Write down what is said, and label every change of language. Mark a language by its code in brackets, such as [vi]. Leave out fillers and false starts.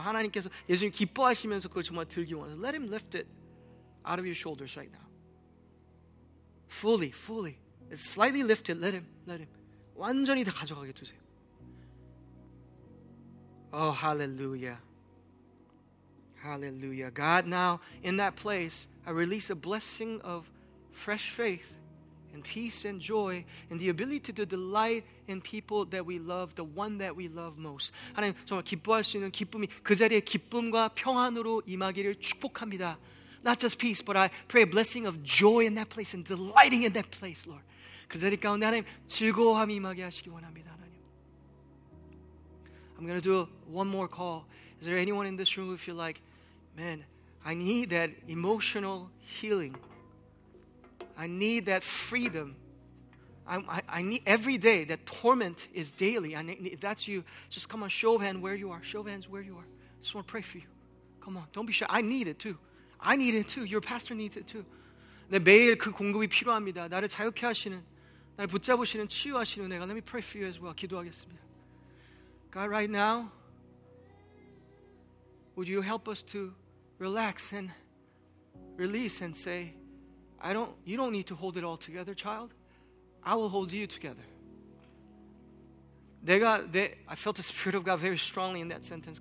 [ko] 하나님께서 예수님 기뻐하시면서 그걸 정말 들기 원해서. [en] Let him lift it out of your shoulders right now. Fully, fully. It's slightly lifted. Let him, let him. [ko] 완전히 다 가져가게 두세요. [en] Oh, hallelujah. Hallelujah. God, now in that place, I release a blessing of fresh faith and peace and joy and the ability to delight in people that we love, the one that we love most. [ko] 하나님, 정말 기뻐할 수 있는 기쁨이 그 자리에 기쁨과 평안으로 임하기를 축복합니다. [en] Not just peace, but I pray a blessing of joy in that place and delighting in that place, Lord. [ko] 그 자리 가운데 하나님, 즐거움이 임하게 하시기 원합니다. [en] I'm going to do one more call. Is there anyone in this room who feel like, man, I need that emotional healing. I need that freedom. I need every day, that torment is daily. I need, if that's you, just come on, show of hands where you are. Show of hands where you are. I just want to pray for you. Come on, don't be shy. I need it too. I need it too. Your pastor needs it too. [ko] 내 매일 그 공급이 필요합니다. 나를 자유케 하시는, 나를 붙잡으시는, 치유하시는 은혜가. [en] Let me pray for you as well. [ko] 기도하겠습니다. [en] God, right now, would you help us to relax and release and say, you don't need to hold it all together, child. I will hold you together. I felt the Spirit of God very strongly in that sentence.